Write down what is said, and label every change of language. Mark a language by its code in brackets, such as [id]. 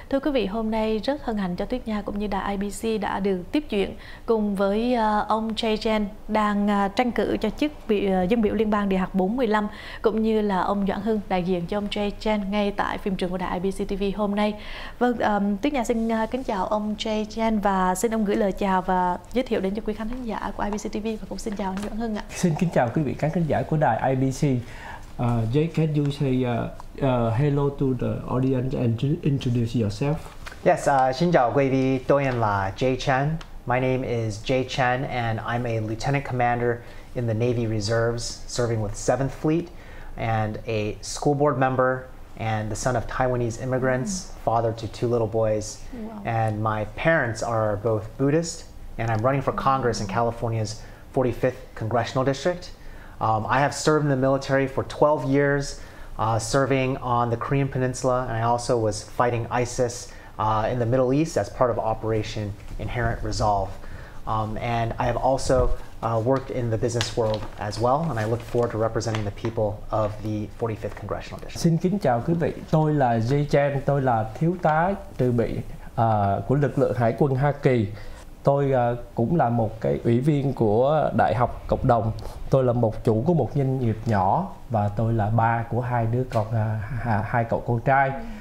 [vi] Thưa quý vị, hôm nay rất hân hạnh cho Tuyết Nha cũng như đài IBC đã được tiếp chuyện cùng với ông Jay Chen đang tranh cử cho chức vị dân biểu liên bang địa hạt 45 cũng như là ông Doãn Hưng đại diện cho ông Jay Chen ngay tại phim trường của đài IBC TV hôm nay. Vâng, Tuyết Nha xin kính chào ông Jay Chen và xin ông gửi lời chào và giới thiệu đến cho quý khán giả của IBC TV và cũng xin chào ông Doãn Hưng ạ. Xin kính chào quý vị khán giả của đài IBC. [en] Jay, can you say hello to the audience and introduce yourself? [vi] Yes, xin chào quý vị, tôi là Jay Chen. [en] My name is Jay Chen and I'm a lieutenant commander in the Navy Reserves serving with 7th Fleet and a school board member and the son of Taiwanese immigrants, father to two little boys. Wow. And my parents are both Buddhist and I'm running for Congress in California's 45th Congressional District. I have served in the military for 12 years, serving on the Korean Peninsula, and I also was fighting ISIS in the Middle East as part of Operation Inherent Resolve. And I have also worked in the business world as well, and I look forward to representing the people of the 45th Congressional District. [vi] Xin kính chào quý vị. Tôi là Jay Chen, tôi là thiếu tá dự bị của lực lượng Hải quân Hoa Kỳ. Tôi cũng là một cái ủy viên của Đại học Cộng đồng. Tôi là một chủ của một doanh nghiệp nhỏ và tôi là ba của hai đứa con, hai cậu con trai.